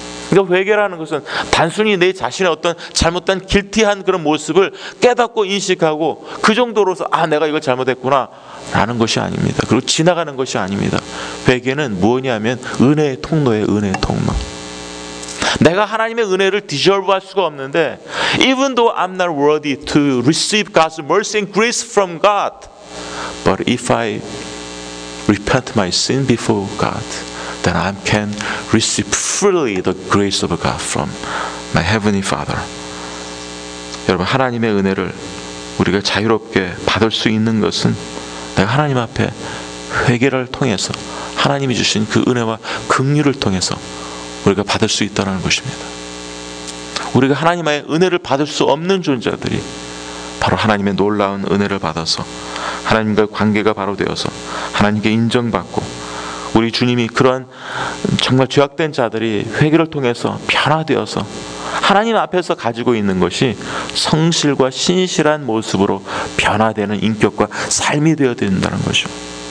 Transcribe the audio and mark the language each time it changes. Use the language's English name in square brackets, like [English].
[Korean] 그러니까 회개라는 것은 단순히 내 자신의 어떤 잘못된 길티한 그런 모습을 깨닫고 인식하고 그 정도로서 아 내가 이걸 잘못했구나 라는 것이 아닙니다. 그리고 지나가는 것이 아닙니다. 회개는 무엇이냐면 은혜의 통로예요. 은혜의 통로. 내가 하나님의 은혜를 deserve 할 수가 없는데, [English] even though I'm not worthy to receive God's mercy and grace from God, but if I repent my sin before God, then I can receive freely the grace of God from my heavenly Father. [Korean] 여러분, 하나님의 은혜를 우리가 자유롭게 받을 수 있는 것은 내가 하나님 앞에 회개를 통해서, 하나님이 주신 그 은혜와 긍휼을 통해서 우리가 받을 수 있다는 것입니다. 우리가 하나님의 은혜를 받을 수 없는 존재들이 바로 하나님의 놀라운 은혜를 받아서 하나님과 관계가 바로 되어서 하나님께 인정받고, 우리 주님이 그런 정말 죄악된 자들이 회개를 통해서 변화되어서 하나님 앞에서 가지고 있는 것이 성실과 신실한 모습으로 변화되는 인격과 삶이 되어야 된다는 것이죠.